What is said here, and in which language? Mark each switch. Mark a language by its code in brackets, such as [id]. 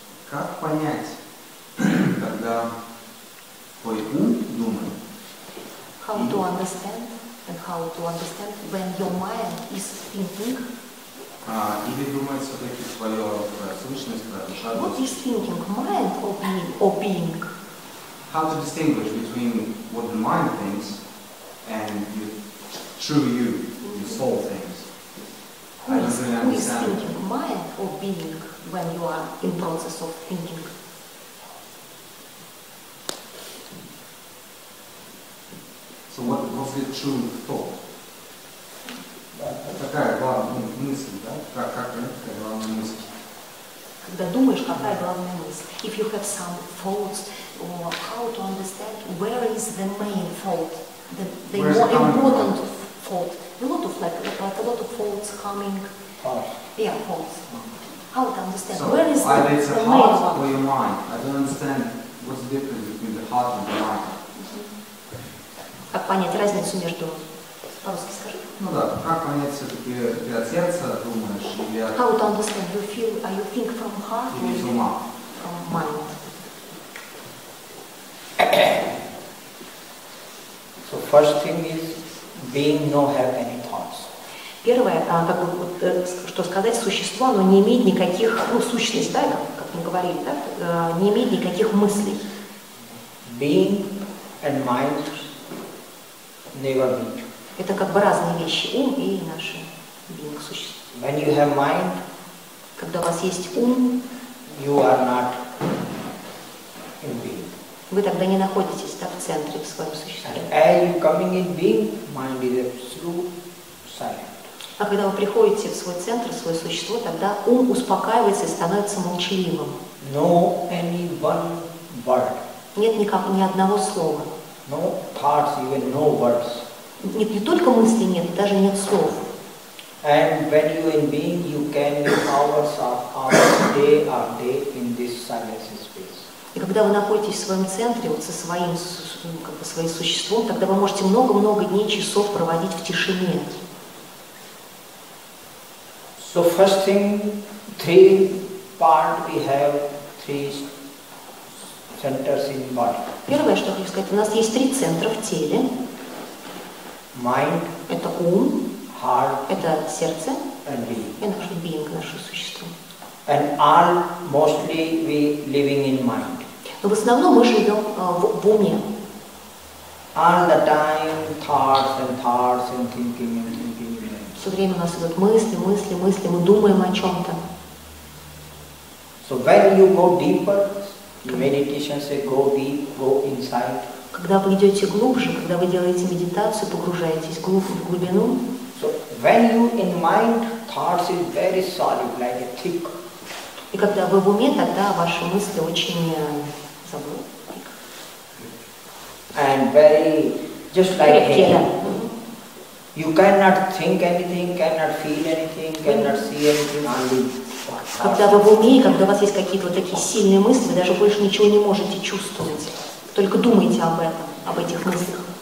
[ru] Как понять, когда твой ум думает? [en] How to understand and how to understand when your mind is thinking? [ru] Или думает все-таки свое сущность, про душа. [en] What is thinking? Mind or being? How to distinguish between what the mind thinks and the true you, the soul thinks? Who is thinking? Mind or being when you are in process of thinking? So what was the true thought? [ru] Какая главная мысль, да? Как понять главную мысль? Когда думаешь, какая главная мысль? [en] If you have some thoughts, or how to understand where is the main thought, the more important thought? A lot of thoughts coming. Thoughts. Yeah, thoughts. Mm-hmm. How to understand? So where is either the it's a heart or your mind? I don't understand what's the difference between the heart and the mind. Mm-hmm. [ru] Как понять разницу между? По-русски скажи. Ну да, как понять все-таки, ты от сердца думаешь или от... [en] How to understand? You feel, you think from heart [ru] или [en] from [ru] ума? [en] From mind. So first thing is, being no have any thoughts. [ru] Первое, как бы, что сказать, существо, оно не имеет никаких, сущность, да, как мы говорили, да, не имеет никаких мыслей. [en] Being and mind never meet. [ru] Это как бы разные вещи, ум и наше being, существо. [en] When you have mind, [ru] когда у вас есть ум, [en] you are not in being. [ru] Вы тогда не находитесь, да, в центре, в своем существе. [en] And as you coming in being, mind is absolute silent. [ru] А когда вы приходите в свой центр, в свое существо, тогда ум успокаивается и становится молчаливым. [en] No any one word. [ru] Нет никак, ни одного слова. [en] No thoughts, even no words. [ru] Нет, не только мысли нет, даже нет слов. [en] And when you in being, you can hours of hours, day of day in this silence space. [ru] И когда вы находитесь в своем центре, вот со своим, как бы, своим существом, тогда вы можете много-много дней, часов проводить в тишине. [en] So first thing, three part we have, three centers in body. [ru] Первое, что хочу сказать, у нас есть три центра в теле. [en] Mind, [ru] это ум, [en] heart, [ru] это сердце, [en] and being. [ru] И наше being, наше существо. [en] And all mostly we living in mind. [ru] Но в основном мы живем в уме. [en] All the time thoughts and thoughts and thinking and thinking. [ru] Все время у нас идут мысли, мы думаем о чем-то. [en] So when you go deeper, meditation say go deep, go inside. [ru] Когда вы идете глубже, когда вы делаете медитацию, погружаетесь в глубину. [en] So when you in mind, thoughts is very solid, like a thick. [ru] И когда вы в уме, тогда ваши мысли очень забыли. [en] And very just like [ru] крепкие, Да. [en] You cannot think anything, cannot feel anything, cannot see anything, only. [ru] Когда вы в уме, когда у вас есть какие-то вот такие сильные мысли, вы даже больше ничего не можете чувствовать. Только думайте об этом, об этих мыслях.